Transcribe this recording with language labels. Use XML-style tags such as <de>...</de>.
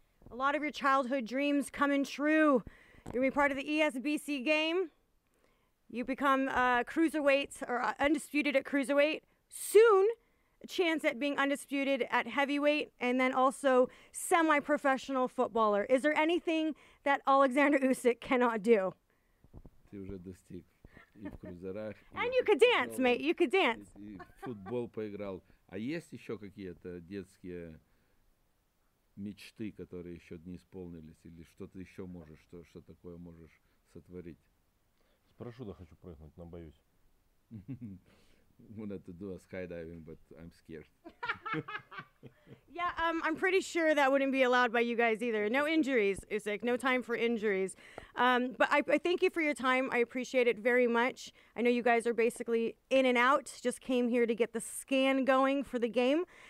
<en>A lot of your childhood dreams coming true. You're going to be part of the ESBC game. You become cruiserweight or undisputed at cruiserweight. Soon, a chance at being undisputed at heavyweight, and then also semi-professional footballer. Is there anything that Alexander Usyk cannot do?</en> <ru>Ты уже достиг и в крузерах.</ru> <en>And you could dance, mate. You could dance.</en> <ru>И футбол поиграл. А есть еще какие-то детские мечты, которые еще не исполнились? Или что-то еще можешь, что такое можешь сотворить? С парашюта хочу прыгнуть, но боюсь.</ru> <en>Wanted to do a skydiving, but I'm scared. Yeah, I'm pretty sure that wouldn't be allowed by you guys either. No injuries, Usyk. No time for injuries. But I thank you for your time. I appreciate it very much. I know you guys are basically in and out. Just came here to get the scan going for the game.</en>